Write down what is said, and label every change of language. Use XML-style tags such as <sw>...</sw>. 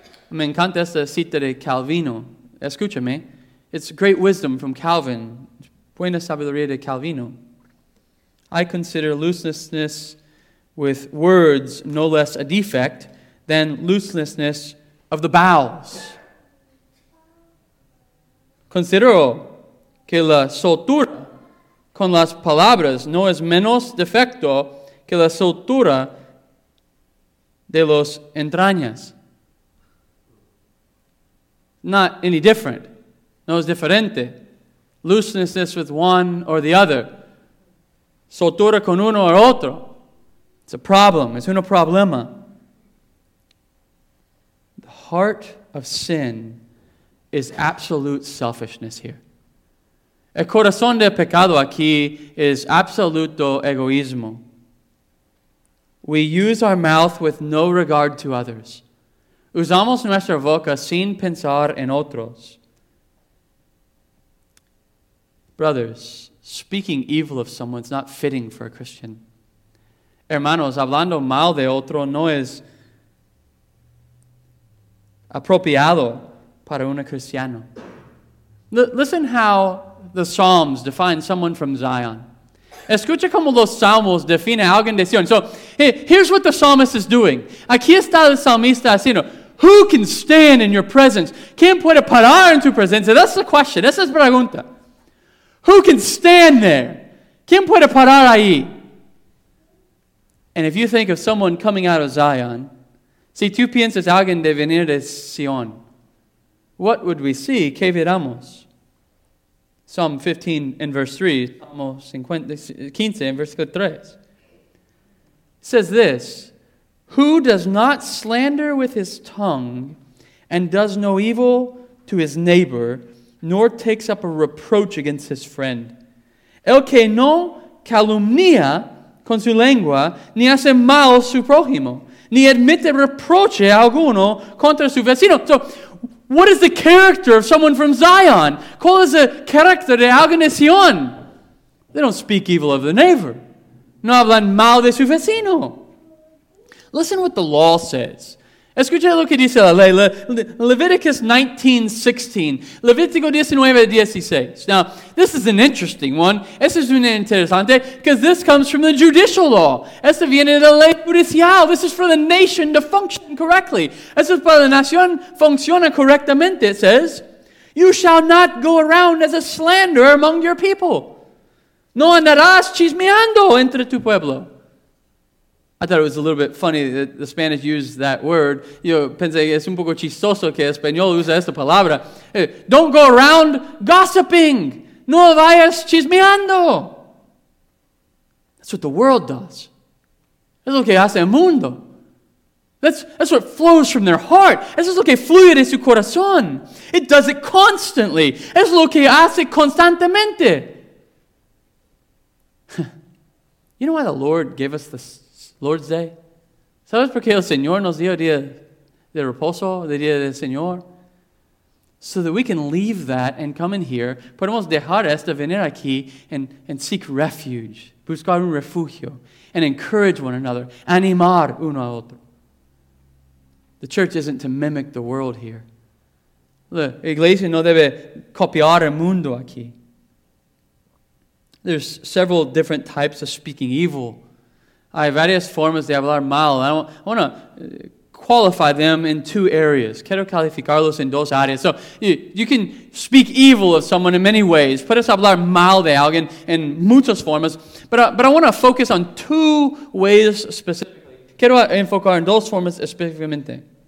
<es>Me encanta esta cita de Calvino. Escúchame.</es> <en>It's great wisdom from Calvin.</en> <es>Buena sabiduría de Calvino.</es> <en>I consider looseness with words no less a defect than looseness of the bowels.</en> <es>Considero que la soltura con las palabras no es menos defecto que la soltura de los entrañas.</es> <en>Not any different.</en> <es>No es diferente.</es> <en>Looseness with one or the other.</en> <es>Soltura con uno or otro.</es> <en>It's a problem.</en> <es>Es un problema.</es> <en>The heart of sin is absolute selfishness here.</en> <es>El corazón del pecado aquí is absoluto egoísmo.</es> <en>We use our mouth with no regard to others.</en> <es>Usamos nuestra boca sin pensar en otros.</es> <en>Brothers, speaking evil of someone is not fitting for a Christian.</en> <es>Hermanos, hablando mal de otro no es apropiado para un cristiano.</es> <en>Listen how the Psalms define someone from Zion.</en> <es>Escucha cómo los Salmos definen a alguien de Sion.</es> <en>So, here's what the psalmist is doing.</en> <es>Aquí está el salmista haciendo.</es> <en>Who can stand in your presence?</en> <es>¿Quién puede parar en tu presencia?</es> <en>That's the question.</en> <es>Esa es la pregunta.</es> <en>Who can stand there?</en> <es>¿Quién puede parar ahí?</es> <en>And if you think of someone coming out of Zion,</en> <es>si tú piensas alguien de venir de Sion,</es> <en>what would we see?</en> <es>¿Qué veramos?</es> <en>Psalm 15 and verse 3. Psalm 15 and verse 3. Says this. Who does not slander with his tongue and does no evil to his neighbor, nor takes up a reproach against his friend?</en> <es>El que no calumnia con su lengua, ni hace mal su prójimo, ni admite reproche alguno contra su vecino.</es> <en>So, what is the character of someone from Zion?</en> <es>¿Cuál es el carácter de alguien de Sion?</es> <en>They don't speak evil of the neighbor.</en> <es>No hablan mal de su vecino.</es> <en>Listen what the law says.</en> <es>Escucha lo que dice la ley.</es> <en>Leviticus 19:16. Levítico 19:16. Now, this is an interesting one.</en> <es>Esto es un interesante</es> <en>because this comes from the judicial law.</en> <es>Esto viene de la ley judicial.</es> <en>This is for the nation to function correctly.</en> <es>Esto es para la nación funciona correctamente.</es> <en>It says, you shall not go around as a slanderer among your people.</en> <es>No andarás chismeando entre tu pueblo.</es> <en>I thought it was a little bit funny that the Spanish used that word.</en> <es>Yo pensé, es un poco chistoso que español usa esta palabra.</es> <en>Hey, don't go around gossiping.</en> <es>No vayas chismeando.</es> <en>That's what the world does.</en> <es>Es lo que hace el mundo.</es> <en>That's what flows from their heart.</en> <es>Eso es lo que fluye de su corazón.</es> <en>It does it constantly.</en> <es>Es lo que hace constantemente.</es> <en>You know why the Lord gave us this Lord's Day?</en> <es>¿Sabes por qué el Señor nos dio día de reposo, de día del Señor?</es> <en>So that we can leave that and come in here,</en> <es>podemos dejar esto, venir aquí,</es> <en>and seek refuge,</en> <es>buscar un refugio,</es> <en>and encourage one another,</en> <es>animar uno a otro.</es> <en>The church isn't to mimic the world here.</en> <es>La iglesia no debe copiar el mundo aquí.</es> <en>There's several different types of speaking evil.</en> <es>Hay varias formas de hablar mal.</es> <en>I want to qualify them in two areas.</en> <es>Quiero calificarlos en dos áreas.</es> <en>So you can speak evil of someone in many ways.</en> <es>Puedes hablar mal de alguien en muchas formas.</es> <en>But I want to focus on two ways specifically.</en> <es>Quiero enfocar en dos formas específicamente.</es>